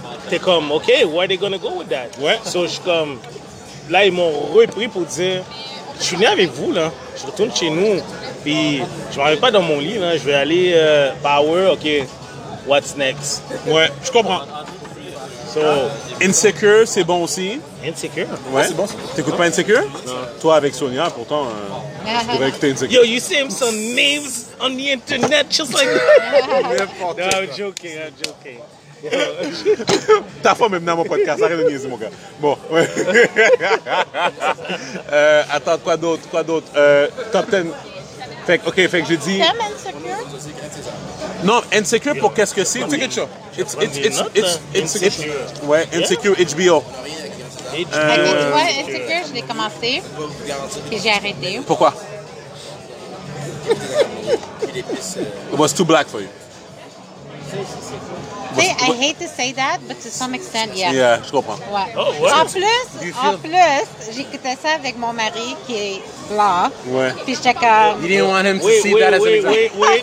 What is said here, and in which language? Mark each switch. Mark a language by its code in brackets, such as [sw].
[fr] T'es comme, [en] OK, where are they gonna go with that? [fr] Ouais. So, je suis comme. Là, ils m'ont repris pour dire, je suis né avec vous, là. Je retourne chez nous. Puis, je m'en vais pas dans mon lit, là. Je vais aller power, OK. [en] What's next? [fr] Ouais, je comprends. So, Insecure, c'est bon aussi. Insecure? Ouais, ouais, c'est bon. T'écoutes pas Insecure? Non. Toi avec Sonia, pourtant, je devrais écouter Insecure. [en] Yo, you see some names on the internet just like. No, I'm joking. [fr] Ta femme est venue à mon podcast, arrête de niaiser mon gars. Bon, ouais. Attends, quoi d'autre? Quoi d'autre? Top 10. Fait que, ok, fait que j'ai dit. T'aimes Insecure? Non, Insecure pour qu'est-ce que c'est? Ticket show. [en] It's Insecure. [fr] Ouais, [en] Insecure, yeah. HBO. [fr] Et toi, Insecure, je l'ai commencé. Puis j'ai arrêté. Pourquoi? [en] It was too black for you. See, I hate to say that, but to some extent, yeah. Yeah, [fr] je comprends. Ouais. Oh, ouais. En plus, j'écoutais ça avec mon mari qui est blanc. Ouais. Puis j'étais comme. [en] You didn't want him to see that as an example.